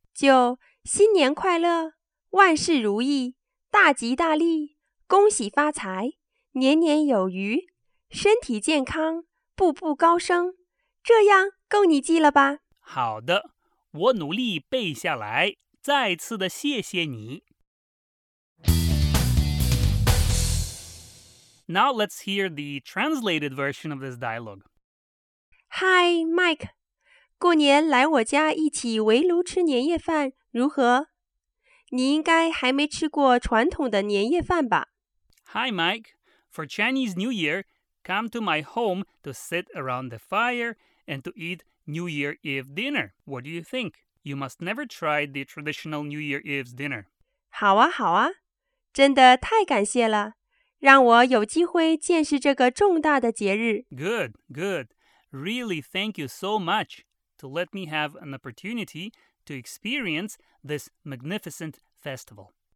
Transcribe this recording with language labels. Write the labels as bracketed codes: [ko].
[zh] 就新年快乐，万事如意，大吉大利，恭喜发财，年年有余，身体健康，步步高升，这样够你记了吧？好的，我努力背下来，再次的谢谢你。 [en] Now let's hear the translated version of this dialogue. Hi, Mike. [zh] 过年来我家一起围炉吃年夜饭如何？你应该还没吃过传统的年夜饭吧？ [en] Hi Mike, for Chinese New Year, come to my home to sit around the fire and to eat New Year Eve dinner. What do you think? You must never try the traditional New Year Eve's dinner. [zh] 好啊好啊，真的太感谢了，让我有机会见识这个重大的节日。 [en] Good, good. Really thank you so much. To let me have an opportunity to experience this magnificent festival.